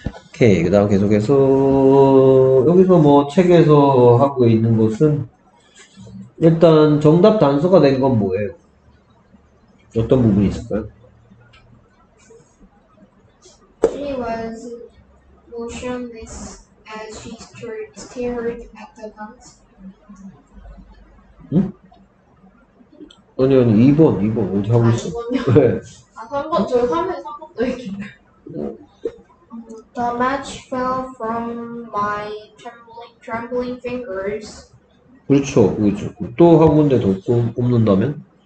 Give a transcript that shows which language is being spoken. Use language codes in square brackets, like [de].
[ko] 오케이 그 다음 계속해서 여기서 뭐 책에서 하고 있는 것은 일단 정답 단서가 된 건 뭐예요? 어떤 부분이 있을까요? [en] She was motionless as she stared at the guns. [ko] 응? 아니 아니 2번 2번 어디 하고 있어? 아 3번 저 3에 3번 또 얘기인가요? [en] The match fell from my trembling fingers. [ko] 그렇죠, 그렇죠. 또 하고 있는데 더 꼽는다면?